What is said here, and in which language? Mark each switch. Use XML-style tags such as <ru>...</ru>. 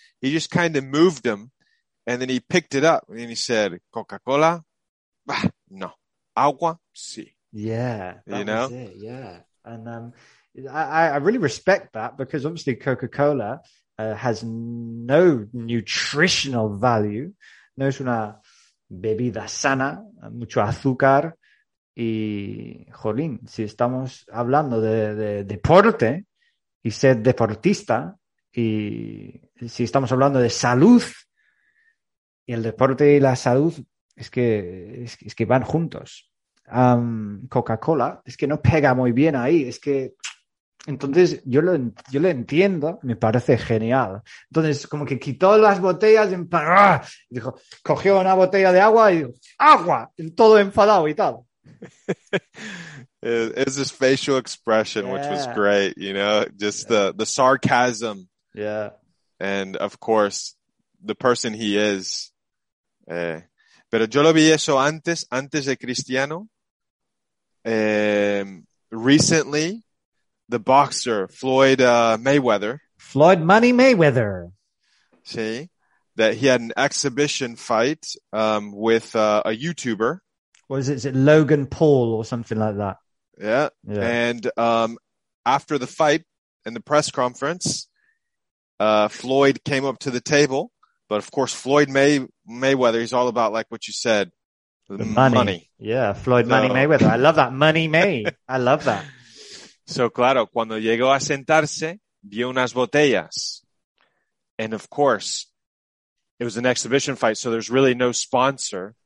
<en>He just kind of moved them, and then he picked it up and he said, "Coca-Cola,</en> <es>no, agua, sí."</es> <en>Yeah, you know, yeah. And I really respect that, because obviously Coca-Cola has no nutritional value.</en> <es>No es una bebida sana, mucho azúcar, y jolín, si estamos hablando de deporte y ser deportista, y si estamos hablando de salud, y el deporte y la salud es que van juntos. Coca-Cola es que no pega muy bien ahí, es que entonces yo lo entiendo, me parece genial. Entonces, como que quitó las botellas y dijo, cogió una botella de agua y dijo, ¡agua! Todo enfadado y tal.</es> <en>It's his facial expression, yeah, which was great, you know, just the sarcasm. Yeah. And of course, the person he is.</en> <es>Pero yo lo vi eso antes de Cristiano.</es> <en>Recently, the boxer, Floyd Mayweather. Floyd Money Mayweather. See? That he had an exhibition fight with a YouTuber. What is it? Is it Logan Paul or something like that? Yeah. And after the fight and the press conference, Floyd came up to the table. But, of course, Floyd Mayweather, he's all about, like what you said, the money. Yeah, Floyd Money Mayweather. I love that. Money May. I love that.</en> <es>So, claro, cuando llegó a sentarse, vio unas botellas.</es> <en>And, of course, it was an exhibition fight, so there's really no sponsor.</en>